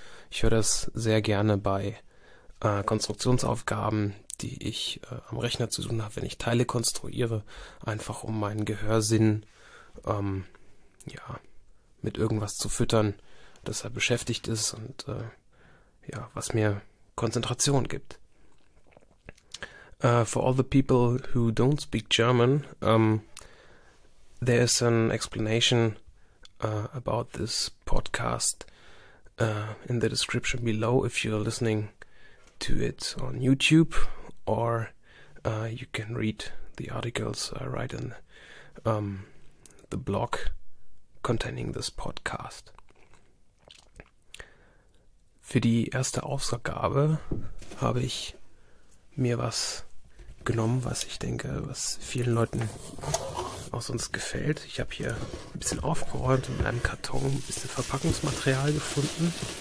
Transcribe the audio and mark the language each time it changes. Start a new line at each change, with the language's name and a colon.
German: Ich höre das sehr gerne bei Konstruktionsaufgaben, die ich am Rechner zu tun habe, wenn ich Teile konstruiere, einfach um meinen Gehörsinn mit irgendwas zu füttern, das er beschäftigt ist und was mir Konzentration gibt.
English: For all the people who don't speak German, there is an explanation about this podcast in the description below if you're listening to it on YouTube, or you can read the articles I write in the blog containing this podcast.
German: Für die erste Ausgabe habe ich mir was genommen, was ich denke, was vielen Leuten aus uns gefällt. Ich habe hier ein bisschen aufgeräumt und in einem Karton ein bisschen Verpackungsmaterial gefunden.